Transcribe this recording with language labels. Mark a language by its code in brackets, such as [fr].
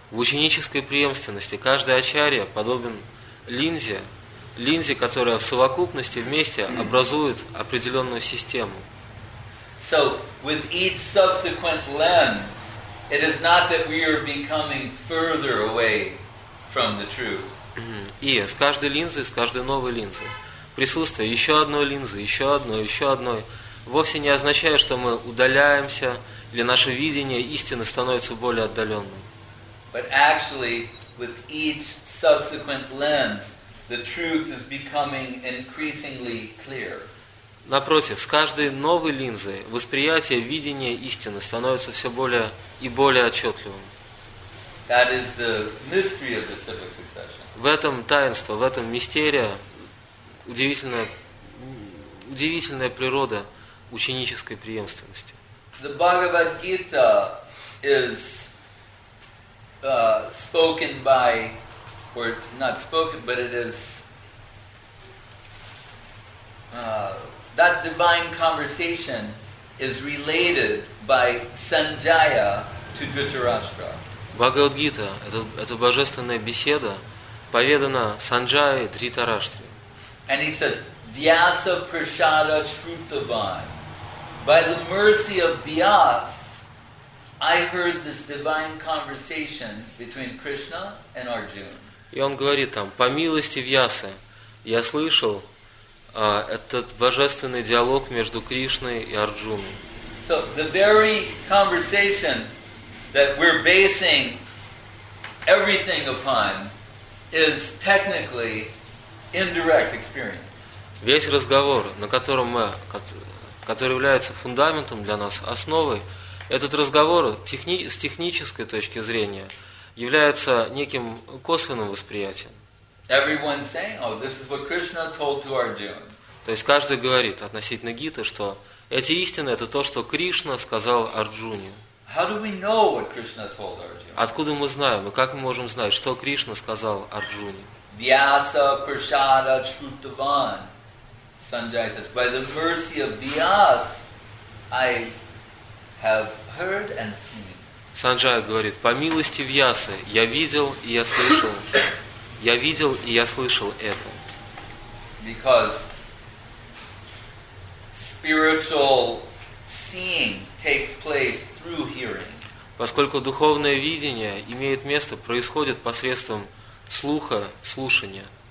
[ru] в ученической преемственности каждый ачарья подобен линзе, линзе, которая в совокупности вместе образует определенную систему. [en] So with each subsequent lens, it is not that we are becoming further away from the truth. [ru] И с каждой линзой, с каждой новой линзой, присутствие еще одной линзы, еще одной, еще одной, вовсе не означает, что мы удаляемся или наше видение истины становится более отдаленным. [en] But actually, with each subsequent lens, the truth is becoming increasingly clear. [ru] Напротив, с каждой новой линзой восприятие видения истины становится все более и более отчетливым. [en] That is the mystery of the civic succession. [ru] В этом таинство, в этом мистерия, удивительная, удивительная природа ученической преемственности. [en] The Bhagavad Gita is spoken by, or not spoken, but it is that divine conversation is related by Sanjaya to Dhritarashtra. [ru] Bhagavad Gita, это божественная беседа, поведана Санджае Дхритараштре. [en] And he says, [sa] Vyasa Prashada Shrutavan. [en] By the mercy of Vyas, I heard this divine conversation between Krishna and Arjuna. [ru] И он говорит там, по милости Вьясы, я слышал этот божественный диалог между Кришной и Арджуной. [en] So the very conversation that we're basing everything upon is technically indirect experience. [ru] Весь разговор, на котором мы, который является фундаментом для нас, основой, этот разговор с технической точки зрения является неким косвенным восприятием. [en] Everyone's saying, oh, this is what Krishna told to Arjuna. [ru] То есть каждый говорит относительно Гиты, что эти истины – это то, что Кришна сказал Арджуне. [en] How do we know what Krishna told Arjuna? [ru] Откуда мы знаем, и как мы можем знать, что Кришна сказал Арджуне? [sa] Vyasa Prashada Shrutavan. [en] Sanjaya says, by the mercy of Vyas, I have heard and seen. [ru] Sanjaya говорит, по милости Вьясы, я видел и я слышал. Я видел и я слышал это. [en] Because spiritual seeing takes place. [ru] Поскольку духовное видение имеет место, происходит посредством слуха, слушания.